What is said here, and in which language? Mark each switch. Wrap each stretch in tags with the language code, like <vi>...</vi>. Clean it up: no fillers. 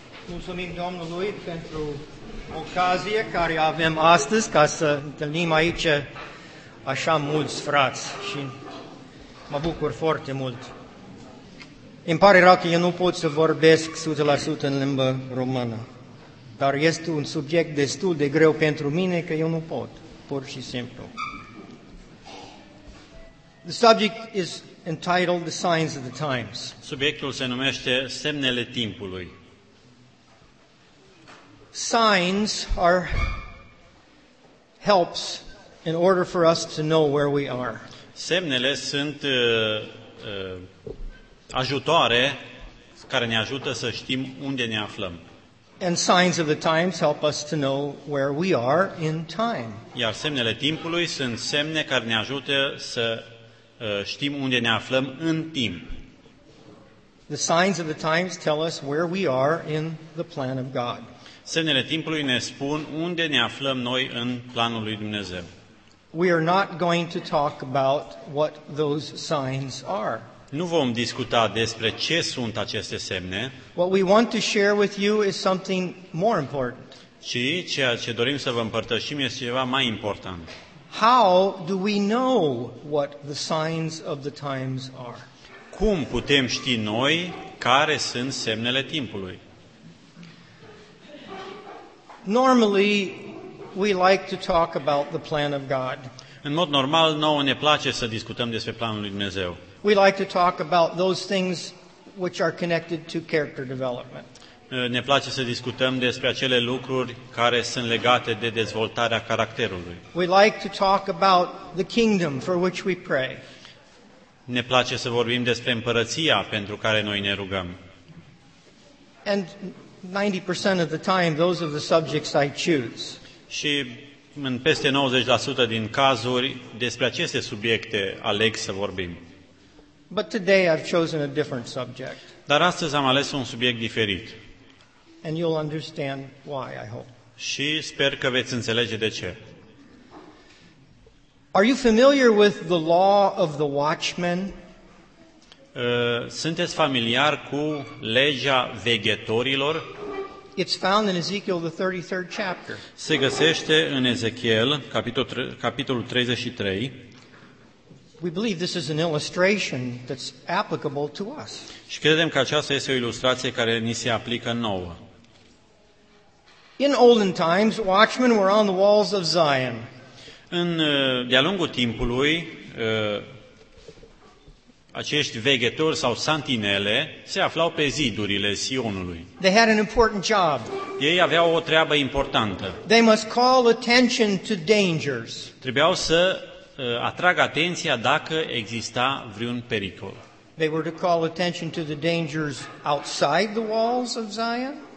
<ro>Mulțumim Domnului pentru ocazie care avem astăzi ca să întâlnim aici așa mulți frați și mă bucur foarte mult. Îmi pare rău că eu nu pot să vorbesc 100% în limba română, dar este un subiect destul de greu pentru mine că eu nu pot, pur și simplu.</ro> <en>The subject is entitled The Signs of the Times.</en> <ro>Subiectul se numește Semnele Timpului.</ro> <en>Signs are helps in order for us to know where we are.</en> <ro>Semnele sunt ajutoare care ne ajută să știm unde ne aflăm.</ro> <en>And signs of the times help us to know where we are in time.</en> <ro>Iar semnele timpului sunt semne care ne ajută să știm unde ne aflăm în timp.</ro> <en>The signs of the times tell us where we are in the plan of God.</en> <ro>Semnele timpului ne spun unde ne aflăm noi în planul lui Dumnezeu.</ro> <en>We are not going to talk about what those signs are.</en> <ro>Nu vom discuta despre ce sunt aceste semne.</ro> <en>What we want to share with you is something more important.</en> <ro>Și ceea ce dorim să vă împărtășim este ceva mai important.</ro> <en>How do we know what the signs of the times are?</en> <ro>Cum putem ști noi care sunt semnele timpului?</ro> <en>Normally, we like to talk about the plan of God.</en> <ro>În mod normal, nouă ne place să discutăm despre planul lui Dumnezeu.</ro> <en>We like to talk about those things which are connected to character development.</en> <ro>Ne place să discutăm despre acele lucruri care sunt legate de dezvoltarea caracterului.</ro> <en>We like to talk about the kingdom for which we pray.</en> <ro>Ne place să vorbim despre împărăția pentru care noi ne rugăm.</ro> <en>And 90% of the time those are the subjects I choose.</en> <ro>Și în peste 90% din cazuri despre aceste subiecte aleg să vorbim.</ro> <en>But today I've chosen a different subject.</en> <ro>Dar astăzi am ales un subiect diferit.</ro> <en>And you'll understand why, I hope.</en> <ro>Și sper că veți înțelege de ce.</ro> <en>Are you familiar with the law of the watchman?</en> <ro>Sunteți familiar cu legea veghetorilor?</ro> <en>It's found in Ezekiel, the 33rd chapter.</en> <ro>Se găsește în Ezechiel, capitolul 33.</ro> <en>We believe this is an illustration that's applicable to us.</en> <ro>Și credem că aceasta este o ilustrație care ni se aplică nouă.</ro> <en>In olden times, watchmen were on the walls of Zion.</en> <ro>În de-a lungul timpului, acești veghetori sau santinele se aflau pe zidurile Sionului.</ro> <en>They had an important job.</en> <ro>Ei aveau o treabă importantă.</ro> <en>They must call attention to dangers.</en> <ro>Trebuiau să atragă atenția dacă exista vreun pericol.</ro> <en>They were to call attention to the dangers outside the walls of Zion.</en>